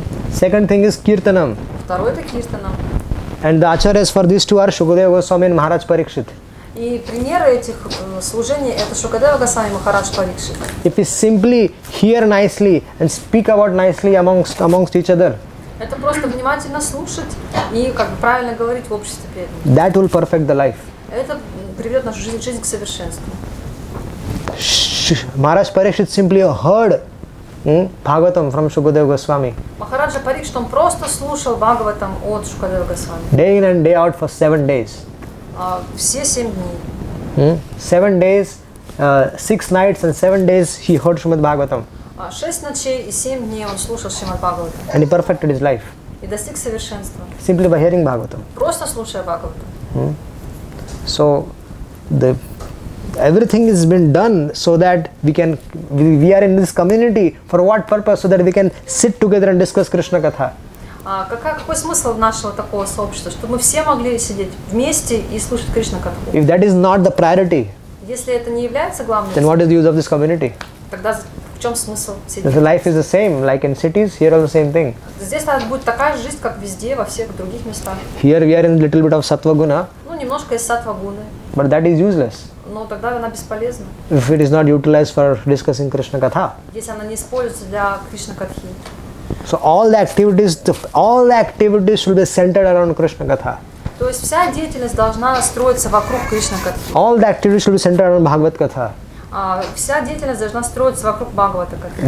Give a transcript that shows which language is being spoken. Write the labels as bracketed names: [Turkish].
[English] Second thing is Kirtanam. [Russian] Второе это Kirtanam. [English] And the acharyas for these two are Shukadeva Goswami and Maharaj Parikshit. [Russian] И примеры этих служений это Шукадева Госвами Махарадж Парикшит. [English] If we simply hear nicely and speak about nicely amongst each other. [Russian] Это просто внимательно слушать и как бы правильно говорить в обществе преданных. [English] That will perfect the life. [Russian] Это приведет нашу жизнь к совершенству. [English] Maharaj Parikshit simply heard Bhagavatam from Shukadeva Goswami. [Russian] Maharaja Parik, что он просто слушал Бхагаватам от Шукадева Госвами. [English] Day in and day out for 7 days. [Russian] Все 7 дней. [English] 7 days, 6 nights and 7 days he heard Shrimad Bhagavatam. [Russian] 6 ночей и 7 дней он слушал Шримад Бхагаватам. [English] And he perfected his life. [Russian] И достиг совершенства. [English] Simply by hearing Bhagavatam. [Russian] Просто слушая Бхагаватам. [English] So the everything has been done so that we can, we are in this community for what purpose? So that we can sit together and discuss Krishna Katha. [Russian] Какой смысл нашего такого сообщества, чтобы мы все могли сидеть вместе и слушать Кришна Катху? [English] If that is not the priority, [Russian] если это не является главным, [English] then what is the use of this community? [Russian] Тогда в чем смысл сидеть? [English] The life is the same, like in cities, here all the same thing. [Russian] Здесь надо будет такая же жизнь, как везде, во всех других местах. [English] Here we are in a little bit of сатвагуна. [Russian] Ну, немножко из сатвагуны. [English] But that is useless. [Russian] Но тогда она бесполезна. [English] If it is not utilized for discussing Krishna Katha. [Russian] Если она не используется для Кришна Катхи. [English] So all the activities should be centered around Krishna Katha. [Russian] То есть вся деятельность должна строиться вокруг Кришна Катхи. [English] All the activities should be centered around Bhagavat Katha. [Russian] Вся деятельность должна строиться вокруг Бхагавата Катхи.